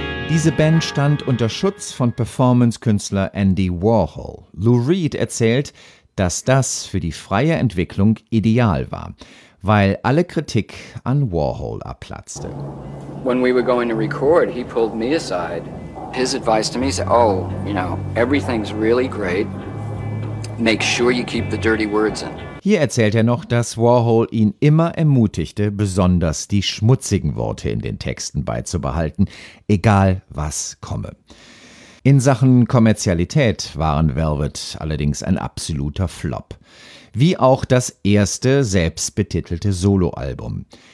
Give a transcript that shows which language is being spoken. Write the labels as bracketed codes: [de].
[de] Diese Band stand unter Schutz von Performance-Künstler Andy Warhol. Lou Reed erzählt, dass das für die freie Entwicklung ideal war, weil alle Kritik an Warhol abplatzte. [en] When we were going to record, he pulled me aside. His advice to me said, oh, you know, everything's really great. Make sure you keep the dirty words in. [de] Hier erzählt er noch, dass Warhol ihn immer ermutigte, besonders die schmutzigen Worte in den Texten beizubehalten, egal was komme. In Sachen Kommerzialität waren Velvet allerdings ein absoluter Flop. Wie auch das erste selbstbetitelte Soloalbum.